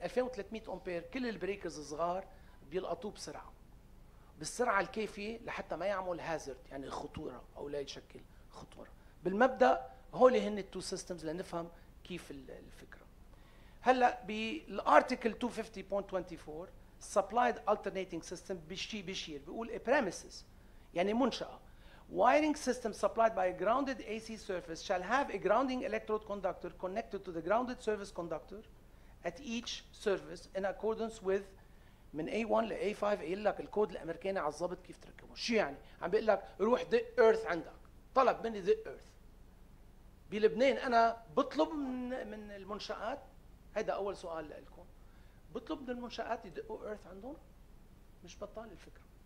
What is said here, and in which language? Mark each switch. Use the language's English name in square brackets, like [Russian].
[Arabic] 2300 امبير كل البريكرز الصغار بيلقطوه بسرعه، بالسرعه الكافيه لحتى ما يعمل هازرد، يعني خطوره او لا يشكل خطوره. بالمبدا هول هن التو سيستمز لنفهم كيف الفكره. هلا بالارتكل 250.24 سبلايد الترنيتنج سيستم بشي بشير بيقول بريميسز، يعني منشاه. [English] Wiring system supplied by a grounded AC surface shall have a grounding electrode conductor connected to the grounded service conductor at each surface in accordance with [Arabic] من A1 لA5. قايل لك الكود الامريكاني على الضبط كيف تركبه. شو يعني؟ عم بيقول لك روح دق ايرث عندك، طلب مني دق ايرث. بلبنان انا بطلب من المنشآت، هذا اول سؤال لكم، بطلب من المنشآت يدقوا ايرث عندهم؟ مش بطال الفكرة.